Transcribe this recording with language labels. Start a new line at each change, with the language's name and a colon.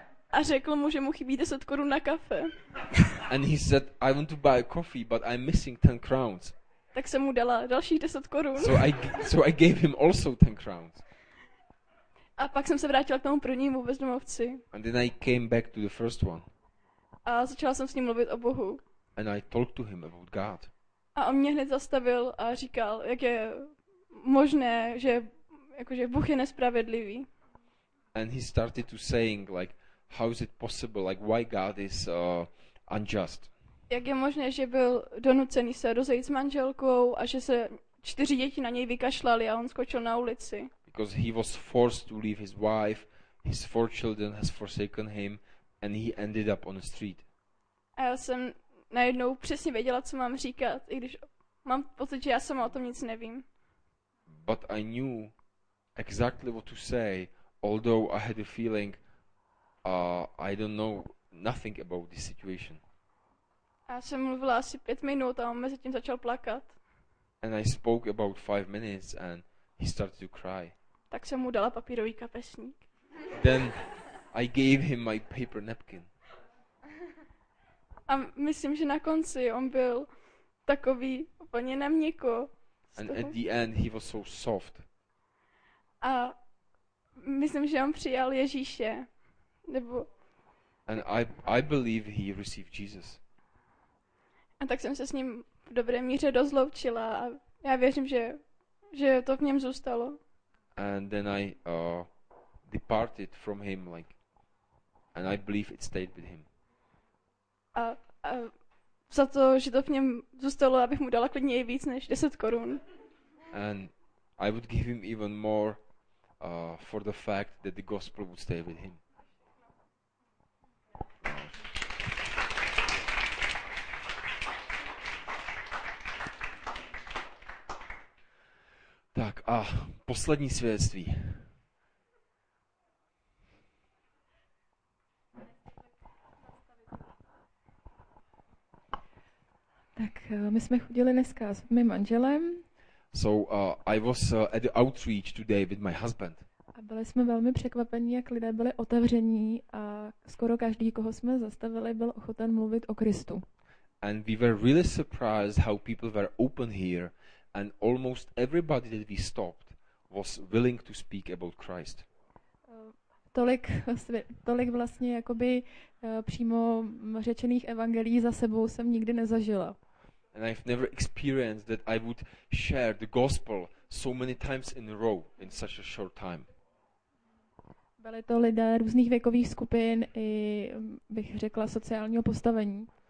Czech: A řekl mu, že mu chybí 10 korun na kafe.
English: And he said, I want to buy a coffee, but I'm missing 10 crowns.
Czech: Tak jsem mu dala dalších 10 korun.
English: So I gave him also 10 crowns.
Czech: A pak jsem se vrátila k tomu prvnímu bezdomovci.
English: And then I came back to the first one.
Czech: A začala jsem s ním mluvit o Bohu.
English: And I talked to him about God.
Czech: A on mě hned zastavil a říkal, jak je možné, že jakože Bůh je nespravedlivý.
English: And he started to saying like, how is it possible, like why God is unjust.
Czech: Jak je možné, že byl donucený se rozejít s manželkou a že se 4 děti na něj vykašlali a on skočil na ulici.
English: Because he was forced to leave his wife, his 4 children has forsaken him. And he ended up on the street.
Czech: A já jsem najednou přesně věděla, co mám říkat, i když mám pocit, že já sama o tom nic nevím.
English: But I knew exactly what to say, although I had a feeling I don't know nothing about this situation.
Czech: A já jsem mluvila asi 5 minut a on mezi tím začal plakat.
English: And I spoke about 5 minutes and he started to cry.
Czech: Tak jsem mu dala papírový kapesník.
English: Then I gave him my paper napkin.
Czech: A myslím, že na konci on byl takový úplně naměko.
English: And at the end he was so soft.
Czech: A myslím, že on přijal Ježíše. Nebo
English: and I believe he received Jesus.
Czech: A tak jsem se s ním v dobré míře rozloučila a já věřím, že to v něm zůstalo.
English: And then I departed from him like and I believe it stayed with him.
Czech: A za to, že to v něm zůstalo, abych mu dala klidně i víc než 10 korun.
English: And I would give him even more for the fact that the gospel would stay with him.
Czech: Tak a poslední svědectví. Tak my jsme chodili dneska s mým manželem.
English: So I was at the outreach today with my husband.
Czech: A byli jsme velmi překvapení, jak lidé byli otevření a skoro každý, koho jsme zastavili, byl ochoten mluvit o Kristu.
English: And we were really surprised how people were open here and almost everybody that we stopped was willing to speak about Christ.
Czech: Tolik vlastně jakoby přímo řečených evangelií za sebou jsem nikdy nezažila.
English: And I've never experienced that I would share the gospel so many times in a row in such a short time.
Czech: Byli to lidé různých věkových skupin i bych řekla sociálního postavení.